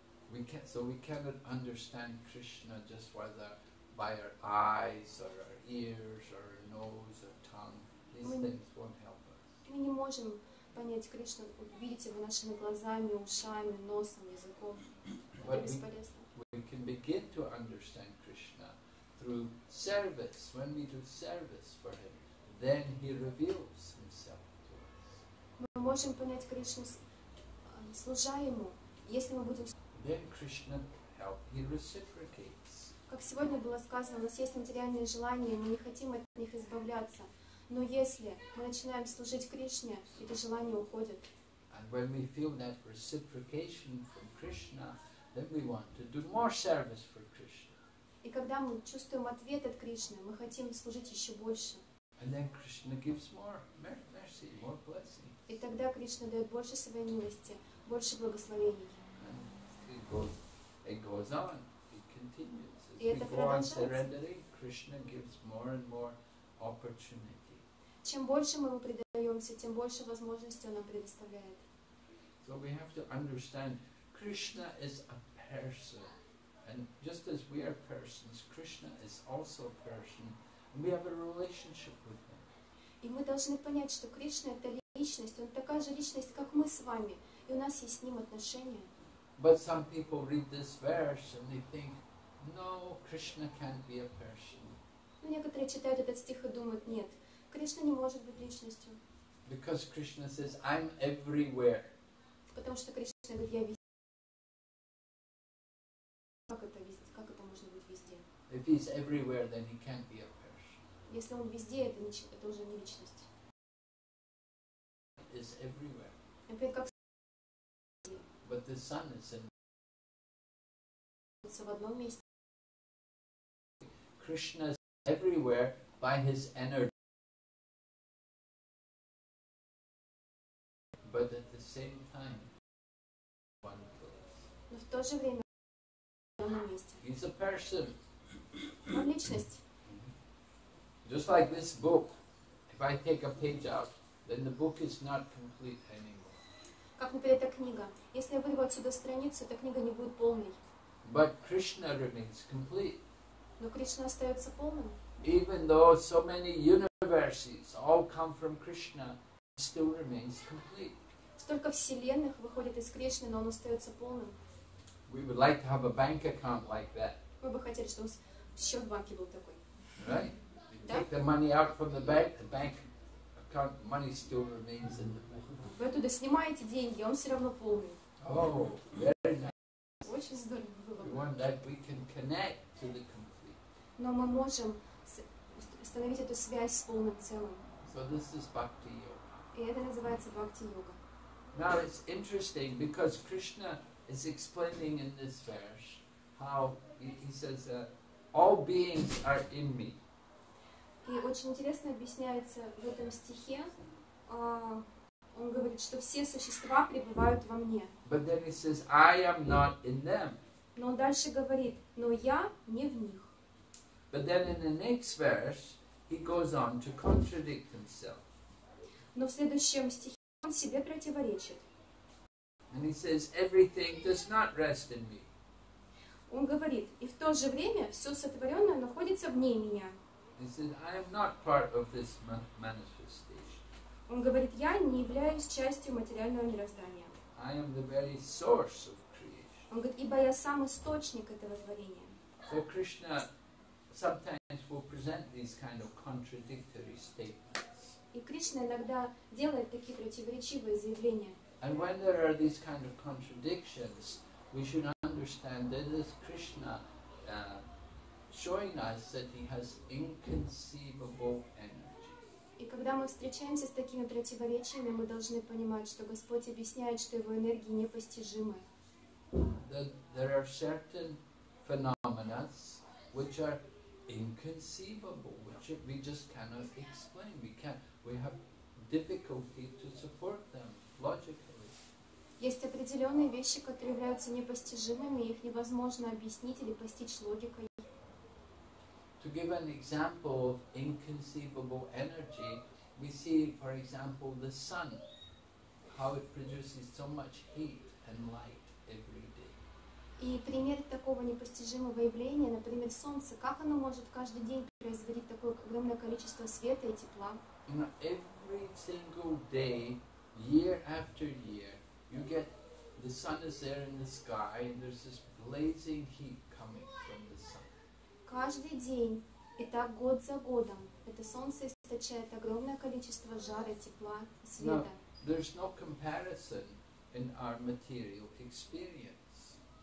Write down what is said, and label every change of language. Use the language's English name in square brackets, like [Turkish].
[English] we can't, so we cannot understand Krishna just whether by our eyes or our ears or our nose or tongue. [Russian] Мы не можем понять Кришну, увидеть его нашими глазами, ушами, носом, языком. Бесполезно. [English] We can begin to understand Krishna through service. When we do service for him, then he reveals himself to us. [Russian] Мы можем понять Кришну, служа ему, если мы будем. [English] Then Krishna help. He reciprocates. [Russian] Как сегодня было сказано, у нас есть материальные желания, мы не хотим от них избавляться. Но если мы начинаем служить Кришне, это желание уходит. [English] And when we feel that reciprocation from Krishna, then we want to do more service for Krishna. [Russian] И когда мы чувствуем ответ от Кришны, мы хотим служить еще больше. [English] And then Krishna gives more mercy, more blessings. [Russian] И тогда Кришна дает больше своей милости, больше благословений. [English] It goes on, it continues. [Russian] И это продолжается. [English] Before surrendering, Krishna gives more and more opportunity. [Russian] Чем больше мы ему предаемся, тем больше возможностей он нам предоставляет. [English] So we have to understand, Krishna is a person. And just as we are persons, Krishna is also a person. And we have a relationship with him. [Russian] И мы должны понять, что Кришна — это личность. Он такая же личность, как мы с вами. И у нас есть с ним отношения. [English] But some people read this verse and they think, no, Krishna can't be a person. [Russian] Но некоторые читают этот стих и думают, нет. Кришна не может быть личностью. [English] Because Krishna says, I'm everywhere. [Russian] Потому что Кришна говорит, я везде. Как это можно быть везде? [English] If he's everywhere, then he can't be a person. [Russian] Если он везде, это уже не личность. [English] Is everywhere. [Russian] Например, как [English] But the sun is in. [Russian] В одном месте. [English] Krishna is everywhere by his energy. But at the same time, one place. [Russian] Но в то же время в одном месте. [English] He's a person. [Russian] Он личность. [English] Just like this book, if I take a page out, then the book is not complete anymore. [Russian] Как, например, эта книга. Если я вырву отсюда страницу, эта книга не будет полной. [English] But Krishna remains complete. [Russian] Но Кришна остается полным. [English] Even though so many universes all come from Krishna. Still remains complete. [Russian] Столько вселенных выходит из Кришны, но он остается полным. [English] We would like to have a bank account like that. [Russian] Мы бы хотели, чтобы счет в банке был такой. [English] Right? [Russian] Да? [English] Take the money out from the bank account, money still remains in the [Russian] Вы оттуда снимаете деньги, он все равно полный. [English] Oh, very nice. [Russian] Очень здорово было. [English] We want that we can connect to the complete. [Russian] Но мы можем установить эту связь с полным целым. [English] So this is bhakti yoga. [Russian] И это называется бхакти-йога. [English] Now it's interesting because Krishna is explaining in this verse how he says that all beings are in me. [Russian] И очень интересно объясняется в этом стихе. Он говорит, что все существа пребывают во мне. [English] But then he says, I am not in them. [Russian] Но он дальше говорит, но я не в них. [English] But then in the next verse, he goes on to contradict himself. [Russian] Но в следующем стихе он себе противоречит. [English] And he says, everything does not rest in me. [Russian] Он говорит, и в то же время все сотворенное находится вне меня. [English] He says, I am not part of this manifestation. [Russian] Он говорит, я не являюсь частью материального мироздания. [English] I am the very source of creation. [Russian] Он говорит, ибо я сам источник этого творения. [English] So Krishna sometimes will present these kind of contradictory statements. [Russian] И Кришна иногда делает такие противоречивые заявления. [English] And when there are these kind of contradictions, we should understand that it is Krishna showing us that he has inconceivable energy. [Russian] И когда мы встречаемся с такими противоречиями, мы должны понимать, что Господь объясняет, что его энергии непостижимы. [English] That there are certain phenomena which are inconceivable, which we just cannot explain. We have difficulty to support them logically. [Russian] Есть определенные вещи, которые являются непостижимыми, их невозможно объяснить или постичь логикой. [English] To give an example of inconceivable energy, we see, for example, the sun, how it produces so much heat and light every day. [Russian] И пример такого непостижимого явления, например, солнце, как оно может каждый день производить такое огромное количество света и тепла? [English] You know, every single day, year after year, you get the sun is there in the sky and there's this blazing heat coming from the sun. [Russian] Каждый день, и так год за годом, это солнце источает огромное количество жара, тепла, света. [English] Now, there's no comparison in our material experience.